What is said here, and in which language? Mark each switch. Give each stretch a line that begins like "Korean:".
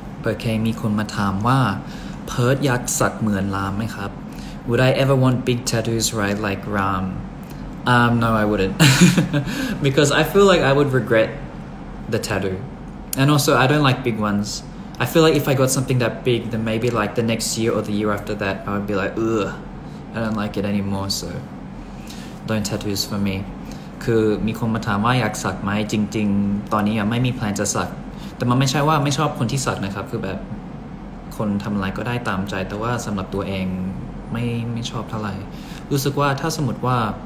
Thai: โอเคมีคนมาถามว่าเพิร์ทยักษ์สักเหมือนรามไหมครับ
English: Would I ever want big tattoos right like RamNo, I wouldn't. Because I feel like I would regret the tattoo. And also, I don't like big ones. I feel like if I got something that big, then maybe like the next year or the year after that, I would be like, ugh, I don't like it anymore. So, don't tattoos for me.
Thai: คือมีคนมาถามว่าอยากสักไหมจริงจริงตอนนี้ไม่มีแพลนจะสักแต่มันไม่ใช่ว่าไม่ชอบคนที่สักนะครับคือแบบคนทำอะไรก็ได้ตามใจแต่ว่าสำหรับตัวเองไม่ชอบเท่าไหร่รู้สึกว่าถ้าสมมติว่า